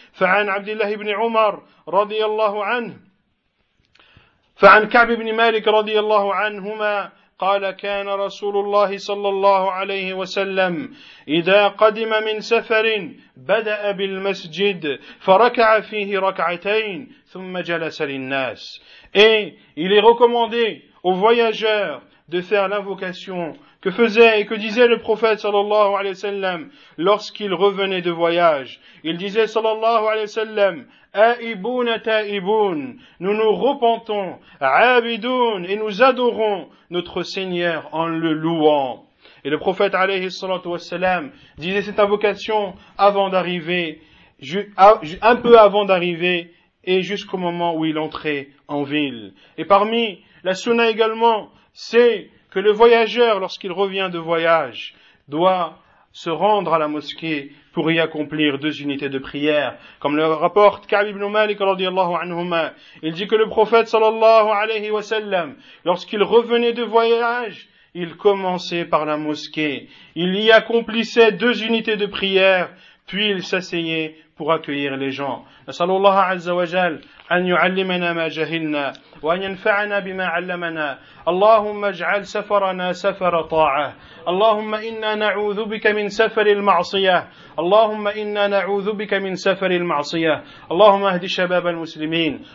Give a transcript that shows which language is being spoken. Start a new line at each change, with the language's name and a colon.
Arabic: فعن عبد الله بن عمر رضي الله عنه، فعن كعب بن مالك رضي الله عنهما قال كان رسول الله صلى الله عليه وسلم إذا قدم من سفر بدأ بالمسجد فركع فيه ركعتين ثم جلس للناس.
French: Et il est recommandé aux voyageurs de faire l'invocation que faisait et que disait le prophète sallallahu alayhi wa sallam lorsqu'il revenait de voyage. Il disait sallallahu alayhi wa sallam
Arabic: آئبون تائبون,
French: nous nous repentons,
Arabic: عابدون,
French: et nous adorons notre Seigneur en le louant. Et le prophète alayhi salatu wassalam disait cette invocation avant d'arriver, un peu avant d'arriver et jusqu'au moment où il entrait en ville. Et parmi la sunna également, c'est que le voyageur, lorsqu'il revient de voyage, doit se rendre à la mosquée pour y accomplir deux unités de prière. Comme le rapporte Ka'b ibn Malik radiyallahu anhuma, il dit que le prophète sallallahu alayhi wa sallam, lorsqu'il revenait de voyage, il commençait par la mosquée. Il y accomplissait deux unités de prière, puis il s'asseyait pour accueillir les gens.
Arabic: Sallallahu azza wa jal, أن يعلمنا ما جهلنا وأن ينفعنا بما علمنا. اللهم اجعل سفرنا سفر طاعة. اللهم إنا نعوذ بك من سفر المعصية. اللهم إنا نعوذ بك من سفر المعصية. اللهم اهد شباب المسلمين.